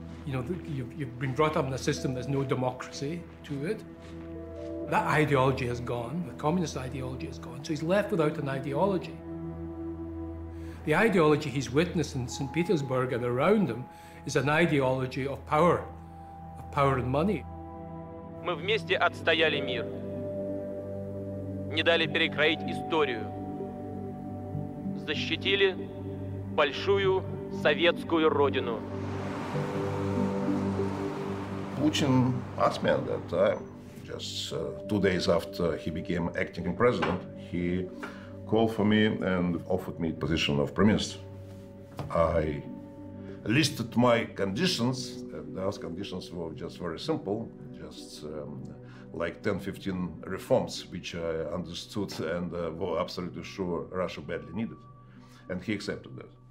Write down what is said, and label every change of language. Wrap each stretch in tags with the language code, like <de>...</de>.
<en>You know, you've been brought up in a system that's no democracy to it. That ideology has gone, the communist ideology has gone, so he's left without an ideology. The ideology he's witnessed in St. Petersburg and around him is an ideology of power and money.</en> <ru>Мы вместе отстояли мир, не дали перекроить историю, защитили большую советскую родину.</ru> <en>Putin asked me at that time, just 2 days after he became acting president, he called for me and offered me the position of prime minister. I listed my conditions, and those conditions were just very simple, just like 10-15 reforms, which I understood and were absolutely sure Russia badly needed. And he accepted that.</en>